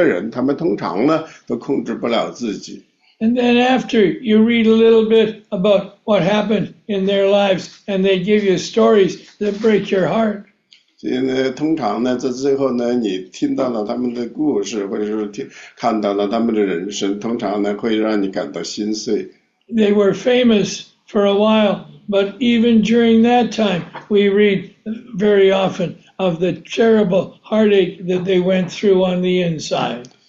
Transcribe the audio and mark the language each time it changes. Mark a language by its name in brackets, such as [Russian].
[Chinese] 所以这个呢是非常的那个，就是说是你去看看那些非常的，就是成功的那些人士，你去看看那些呢，就是说是那些在报纸上出现的那些运动员、有名的、成名的人，他们通常呢都控制不了自己。 [English] And then after you read a little bit about what happened in their lives, and they give you stories that break your heart. [Chinese] 所以呢，通常呢，在最后呢，你听到了他们的故事，或者是看到了他们的人生，通常呢，会让你感到心碎。 [English] They were famous for a while, but even during that time, we read very often of the terrible heartache that they went through on the inside.